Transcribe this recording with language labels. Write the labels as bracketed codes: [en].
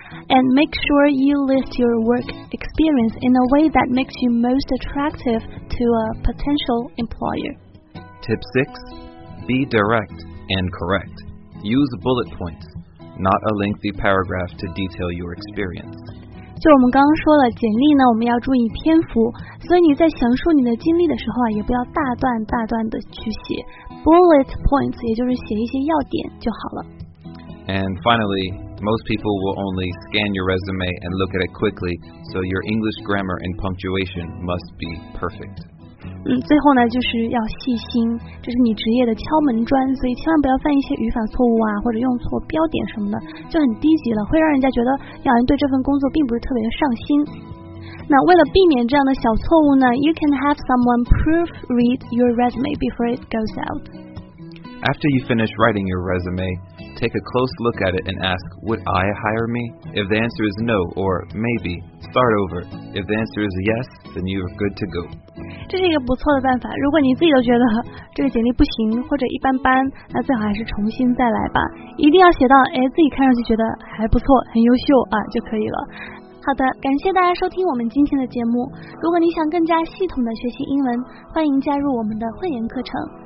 [en] And make sure you list your work experience in a way that makes you most attractive to a potential employer. Tip 6, be direct and correct. Use bullet points, not a lengthy paragraph to detail your experience. [zh] 就我们刚刚说了，简历呢我们要注意篇幅，所以你在详述你的经历的时候啊，也不要大段大段的去写， bullet points 也就是写一些要点就好了。 [en] And finally, most people will only scan your resume and look at it quickly, so your English grammar and punctuation must be perfect. [zh] 最后呢，就是要细心，这是你职业的敲门砖，所以千万不要犯一些语法错误啊，或者用错标点什么的，就很低级了，会让人家觉得好像对这份工作并不是特别的上心。那为了避免这样的小错误呢， [en] you can have someone proofread your resume before it goes out. After you finish writing your resume,take a close look at it and ask, would I hire me? If the answer is no, or maybe, start over. If the answer is yes, then you are good to go. [zh] 这是一个不错的办法。如果你自己都觉得这个简历不行或者一般般，那最好还是重新再来吧。一定要写到自己看上去觉得还不错，很优秀啊就可以了。好的，感谢大家收听我们今天的节目。如果你想更加系统的学习英文，欢迎加入我们的会员课程。